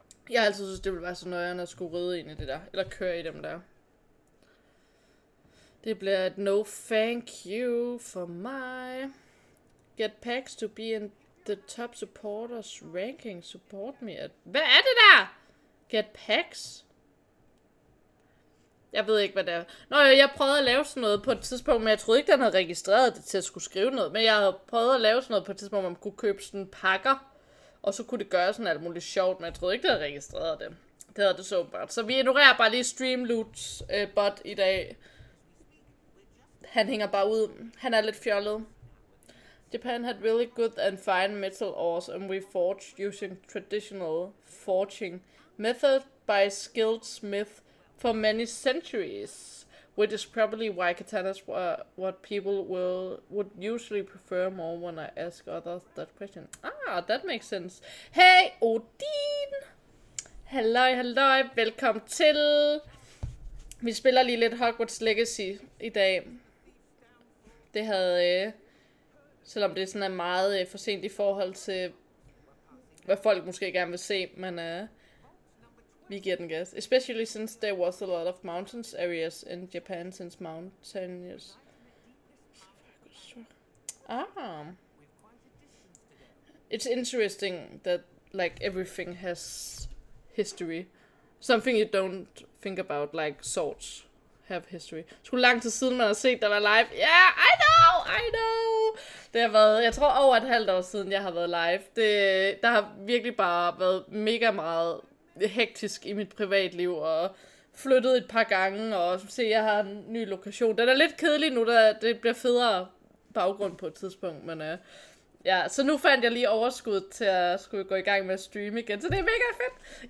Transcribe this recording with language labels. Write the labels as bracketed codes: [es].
[da] Jeg altid synes, det ville være så nøjerne at skulle ride ind i det der. Eller køre i dem der. Det bliver et [en] no thank you [da] for mig. [en] Get packs to be in the top supporters ranking. Support me at... [da] Hvad er det der? [en] Get packs? [da] Jeg ved ikke, hvad det er. Nå, jeg prøvede at lave sådan noget på et tidspunkt, men jeg troede ikke, den havde registreret det til at skulle skrive noget. Men jeg havde prøvet at lave sådan noget på et tidspunkt, hvor man kunne købe sådan pakker. Og så kunne det gøre sådan alt muligt sjovt, men jeg troede ikke, det havde registreret det. Det havde det så åbenbart. Så vi ignorerer bare lige stream loots bot i dag. Han hænger bare ud. Han er lidt fjollet. [en] Japan had really good and fine metal ores, and we forged using traditional forging method by skilled smith for many centuries. Which is probably why katanas were what people would usually prefer more when I ask others that question. Ah, that makes sense. Hey, Odin! [da] Halløj, halløj, velkommen til! Vi spiller lige lidt Hogwarts Legacy i dag. Det havde, selvom det sådan er meget for sent i forhold til, hvad folk måske gerne vil se, men vi giver den gas. [en] Especially since there was a lot of mountains areas in Japan since mountainous. Ah. It's interesting that like everything has history. Something you don't think about, like swords have history. [da] Så lang tid siden man har set der var live. [en] Yeah, I know. [da] Det har været, jeg tror over et halvt år siden jeg har været live. Der har virkelig bare været mega meget hektisk i mit privatliv og flyttet et par gange og se, jeg har en ny lokation. Den er lidt kedelig nu, da det bliver federe baggrund på et tidspunkt, men ja, så nu fandt jeg lige overskud til at skulle gå i gang med at streame igen, så det er mega fedt.